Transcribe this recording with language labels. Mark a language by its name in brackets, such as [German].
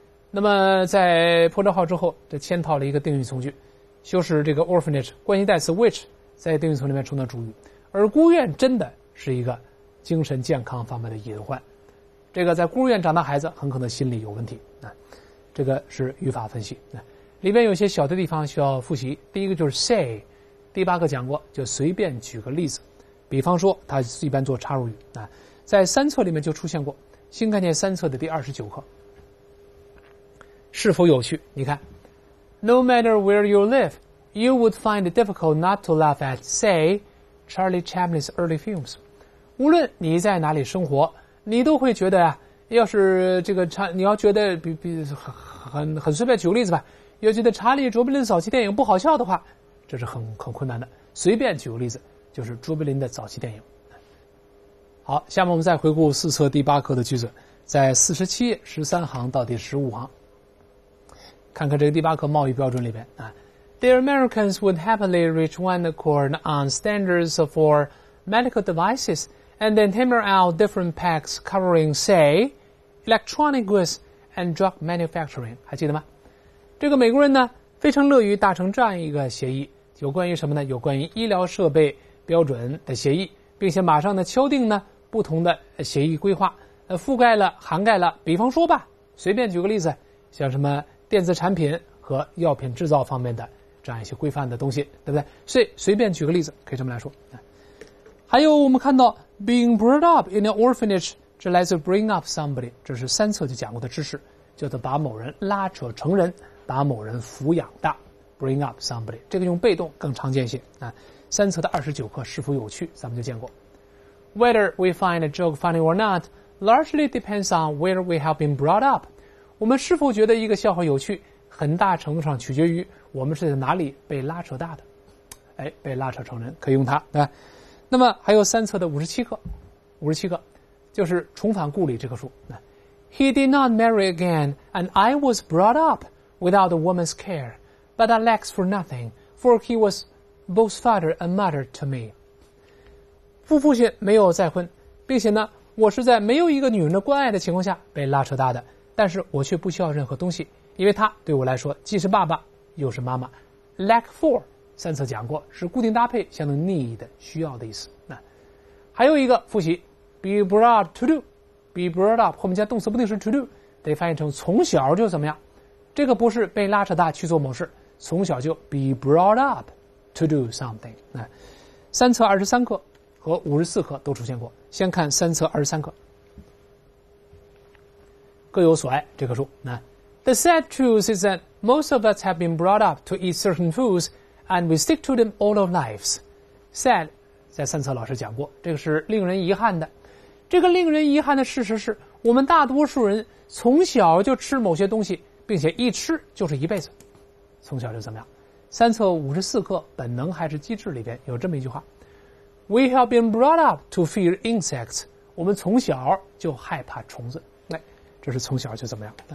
[Chinese] 那么在破折号之后，这嵌套了一个定语从句，修饰这个 orphanage 关系代词 which 在定语从里面充当主语，而孤儿院真的是一个精神健康方面的隐患，这个在孤儿院长大孩子很可能心理有问题，这个是语法分析，里面有些小的地方需要复习。第一个就是 say， 第八课讲过，就随便举个例子，比方说它一般做插入语，在三册里面就出现过，新概念三册的第29课。是否有趣？ [English] 你看 No matter where you live, you would find it difficult not to laugh at, say, Charlie Chaplin's early films. [Chinese] 无论你在哪里生活，你都会觉得啊，要是这个你要觉得很随便举个例子吧，要觉得查理卓别林早期电影不好笑的话，这是很困难的。随便举个例子，就是卓别林的早期电影。好，下面我们再回顾四册第八课的句子，在47页13行到第15行，看看这个第八课贸易标准里边啊。 [English] The Americans would happily reach one accord on standards for medical devices and then hammer out different packs covering, say, electronic goods and drug manufacturing. [Chinese] 还记得吗？这个美国人呢，非常乐于达成这样一个协议，有关于什么呢？有关于医疗设备标准的协议，并且马上呢敲定呢不同的协议规划，覆盖了涵盖了，比方说吧，随便举个例子，像什么电子产品和药品制造方面的这样一些规范的东西，对不对？所以随便举个例子可以这么来说。还有我们看到 being brought up in an orphanage，这来自 bring up somebody，这是三册就讲过的知识，叫做把某人拉扯成人，把某人抚养大， bring up somebody， 这个用被动更常见一些啊。三册的29课是否有趣咱们就见过。 [English] Whether we find a joke funny or not largely depends on where we have been brought up，我们是否觉得一个笑话有趣，很大程度上取决于我们是在哪里被拉扯大的。 [Chinese] 哎，被拉扯成人可以用它，对吧？那么还有三册的57课就是重返故里这棵树。 [English] He did not marry again and I was brought up without a woman's care but I lacked for nothing for he was both father and mother to me。 [Chinese] 父亲没有再婚，并且呢我是在没有一个女人的关爱的情况下被拉扯大的，但是我却不需要任何东西，因为他对我来说既是爸爸又是妈妈。 Lack for 三册讲过是固定搭配，相当于 need 需要的意思。还有一个复习 be brought to do， be brought up 后面加动词不定式 to do 得翻译成从小就怎么样，这个不是被拉扯大去做某事，从小就 be brought up to do something。三册23课和54课都出现过，先看三册23课。 [English] 各有所爱这棵树， The sad truth is that most of us have been brought up to eat certain foods and we stick to them all our lives. [Chinese] Sad 在三册老师讲过，这个是令人遗憾的。这个令人遗憾的事实是我们大多数人从小就吃某些东西，并且一吃就是一辈子，从小就怎么样。三册54课本能还是机制里边有这么一句话， We have been brought up to fear insects，我们从小就害怕虫子，这是从小就怎么样。